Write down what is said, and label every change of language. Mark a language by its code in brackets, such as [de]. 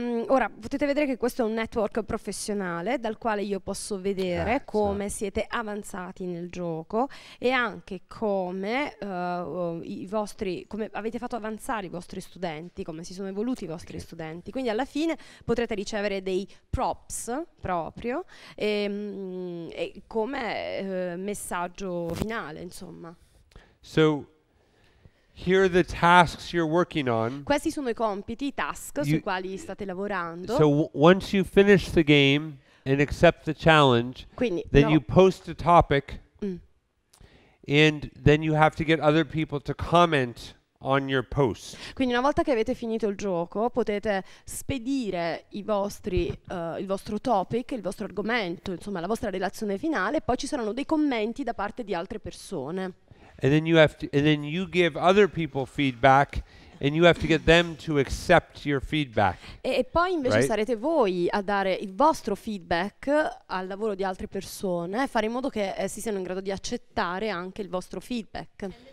[it] Ora potete vedere che questo è un network professionale dal quale io posso vedere come siete avanzati nel gioco e anche come come avete fatto avanzare i vostri studenti, come si sono evoluti i vostri studenti. Quindi alla fine potrete ricevere dei props proprio e come messaggio finale, insomma. [en] So here are the tasks you're working on. [it] Questi sono i compiti, i task sui quali state lavorando. [en] So once you finish the game and accept the challenge, [it] Quindi, [en] then [it] però. [en] you post a topic, and then you have to get other people to comment on your post. [it] Quindi una volta che avete finito il gioco, potete spedire il vostro topic, il vostro argomento, insomma, la vostra relazione finale, e poi ci saranno dei commenti da parte di altre persone. [en] And then you have to, and then you give other people feedback, and you have to get them to accept your feedback, [it] E poi invece [en] right? [it] sarete voi a dare il vostro feedback al lavoro di altre persone e fare in modo che essi siano in grado di accettare anche il vostro feedback.